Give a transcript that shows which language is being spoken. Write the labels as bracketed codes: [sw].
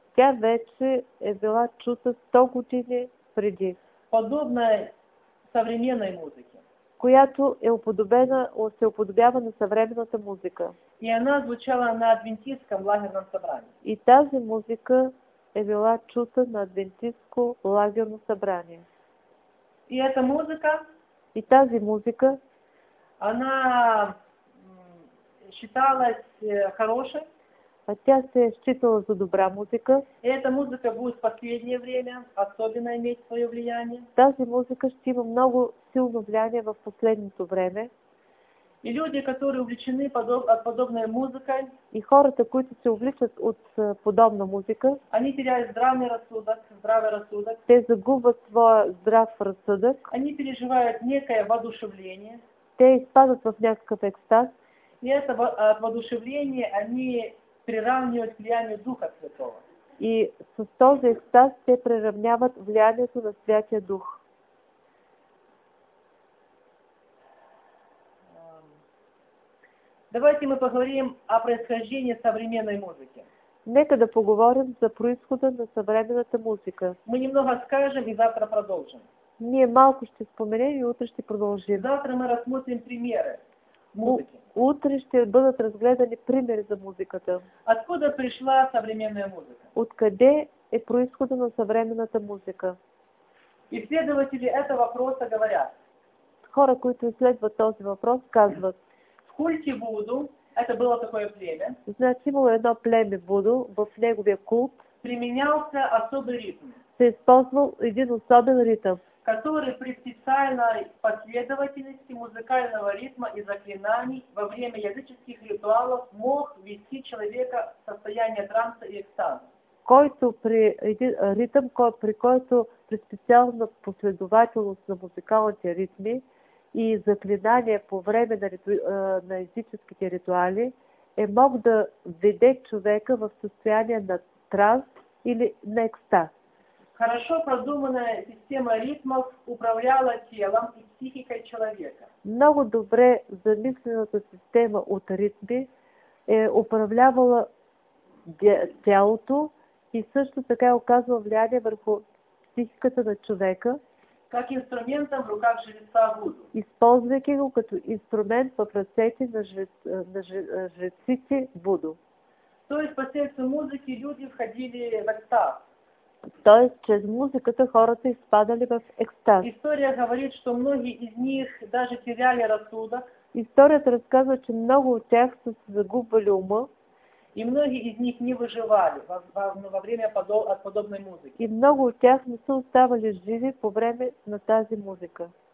[bg] Тя вече е била чута 100 години преди. [ru] Подобна съвременной музыке. [bg] Която е уподобена, се уподобява на съвременната музика. [ru] И она звучала на адвентистском лагерном собрании. [bg] И тази музика е била чута на адвентистско лагерно събрание. [ru] И эта музыка, [bg] и тази музика, [ru] она считалась хорошей. [bg] А тя се е считала за добра музика. [ru] И эта музыка будет в последнее время особенно иметь свое влияние. [bg] Тази музика ще има много силно влияние в последното време. [ru] И люди, которые увлечены подобной музыкой, [bg] и хората, които се увличат от подобна музика, [ru] они теряют здравый рассудок. [bg] Те загубят своя здрав рассудък. [ru] Они переживают некое воодушевление. [bg] Те изпадат в някакъв екстаз. [ru] И это воодушевление они приравнивают влияние Духа Святого. [bg] И с този екстаз те приравняват влиянието на Святия Дух. [ru] Давайте мы поговорим о происхождении современной музыки. [bg] Нека да поговорим за происхода на съвременната музика. [ru] Мы немного скажем и завтра продолжим. [bg] Ние малко ще споменем и утре ще продължим. [ru] Завтра мы рассмотрим примеры музыки. [bg] Утре ще бъдат разгледани примери за музиката. [ru] Откуда пришла съвременная музыка? [bg] Откъде е происхода на съвременната музика? [ru] Изследователи этого вопроса говорят. [bg] Хора, които изследват този въпрос, казват. [ru] В культе Буду, это было такое племя. [bg] Значи имало едно племе Буду, в неговия култ. [ru] Применялся особый ритм. [bg] Се използвал един особен ритъм, [ru] который при специальной последовательности музыкального ритма и заклинаний во время языческих ритуалов мог ввести человека в состояние транса и экстаза. [bg] Който при един ритъм, при който при специална последователност на музикалните ритми и заклинания по време на языческите ритуали е мог да веде човека в състояние на транс или на екстаз. [ru] Хорошо продуманная система ритмов управляла телом и психикой человека. [bg] Много добре замислената система от ритми е управлявала тялото и също така е оказвала влияние върху психиката на човека. [ru] как инструментом в руках жреца буду. [bg] Използвайки го като инструмент в ръцете на, жреците буду. [ru] То есть посредством музыки люди входили в экстаз. То есть через музыку-то [bg] хората изпадали в экстаз. [ru] История говорит, что многие из них даже теряли рассудок. [bg] Историята разказва, че много от тях са се загубвали ума. [ru] И многие из них не выживали во время от подобной музыки. [bg] И много от тях не са оставали живи по време на тази музика.